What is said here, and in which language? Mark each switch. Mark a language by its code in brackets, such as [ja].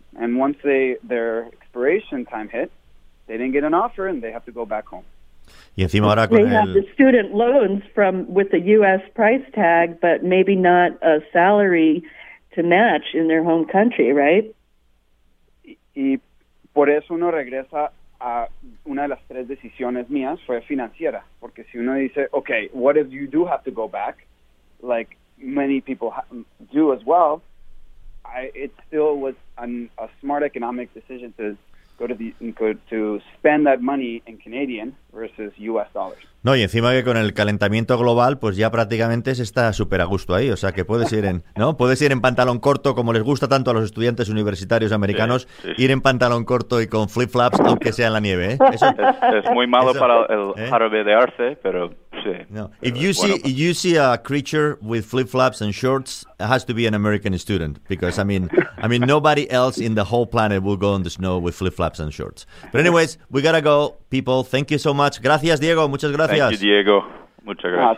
[en] And once their expiration time hit, they didn't get an offer, and they have to go back home. [es] Y encima ahora [en] they have the student loans with the U.S. price tag, but maybe not a salary to match in their home country, right? [es] Y por eso uno regresa a una de las tres decisiones mías fue financiera. Porque si uno dice, [en] okay, what if you do have to go back, like many people do as well, it still was a smart economic decision to go to to spend that money in Canadian versus U.S. dollars. [es] No, y encima que con el calentamiento global, pues ya prácticamente se está súper a gusto ahí. O sea, que puedes ir en, ¿no? Puedes ir en pantalón corto, como les gusta tanto a los estudiantes universitarios americanos, sí. Ir en pantalón corto y con flip-flops, aunque sea en la nieve, ¿eh? Eso, es muy malo eso, para el jarabe de arce, pero sí. No. Pero [en] if you see a creature with flip-flops and shorts, it has to be an American student. Because, I mean nobody else in the whole planet will go in the snow with flip-flops and shorts. But anyways, we gotta go, people. Thank you so much. [es] Gracias, Diego. Muchas gracias. [en] Thank you, Diego. [es] Muchas gracias.